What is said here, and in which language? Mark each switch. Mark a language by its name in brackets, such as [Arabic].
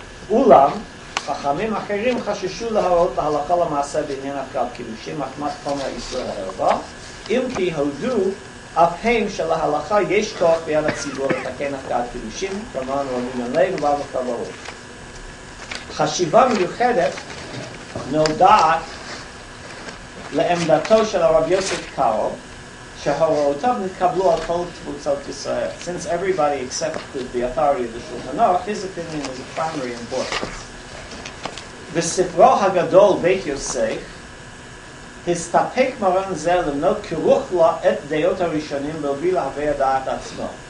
[Hebrew] אולם, חכמים אחרים חששו להראות להלכה למעשה בעניין הפקעת קידושים, מחמת חומר ישראל הערבה, אם כי הודו אף הם שלהלכה יש כוח ביד הציבור לתקן הפקעת קידושים, כמובן רבים עליהם ובאו כברות. חשיבה מיוחדת נודעת לעמדתו של הרב יוסף קארו, שהוראותיו נתקבלו על כל תבוצות ישראל. [English] Since everybody accepted the authority of the Shulchan Aruch, his opinion was of primary importance. [Hebrew] בספרו הגדול בית יוסף, הסתפק מרן זה למנות כרוך לו את דעות הראשונים והוביל להווה הדעת עצמו.